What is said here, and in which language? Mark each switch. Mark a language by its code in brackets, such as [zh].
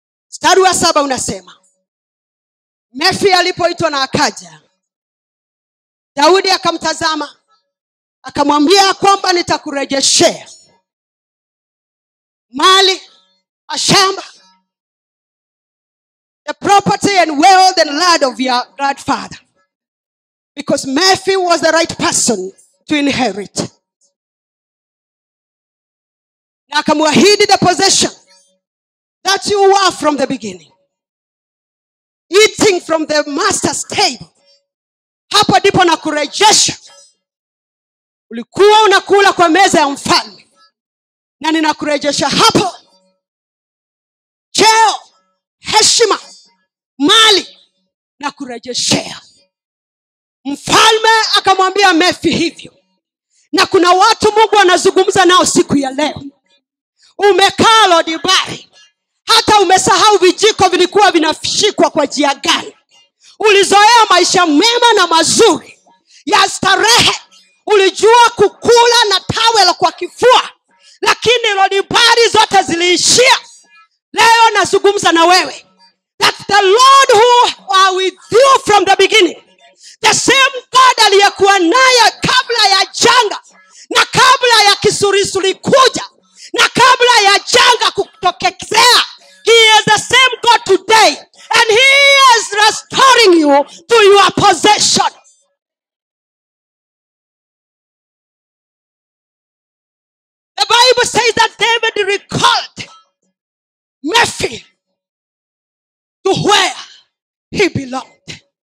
[sw] Mstari wa saba unasema Mephi alipoitwa na akaja, Daudi akamtazama akamwambia kwamba nitakurejeshea mali, ashamba, [en] the property and wealth and land of your grandfather, because Mephi was the right person to inherit. [sw] Na akamwahidi [en] the possession that you were from the beginning, eating from the master's table. [sw] Hapo ndipo nakurejesha. Ulikuwa unakula kwa meza ya mfalme. Na ninakurejesha hapo. Cheo, heshima, mali, nakurejeshea. Mfalme akamwambia Mephi hivyo. Na kuna watu Mungu anazungumza nao siku ya leo. Umekaa Lodibari. Hata umesahau vijiko vilikuwa vinafishikwa kwa njia gani. Ulizoea maisha mema na mazuri ya starehe. Ulijua kukula na towel kwa kifua. Lakini Lodibari zote ziliishia. Leo nazungumza na wewe. [en] That the Lord who are with you from the beginning. The same God [sw] aliyekuwa naye kabla ya janga. Na kabla ya kisurisuri kuja. Na kabla ya janga kutokezea. [en] He is the same God today. And he is restoring you to your possession. The Bible says that David recalled Mephi to where he belonged.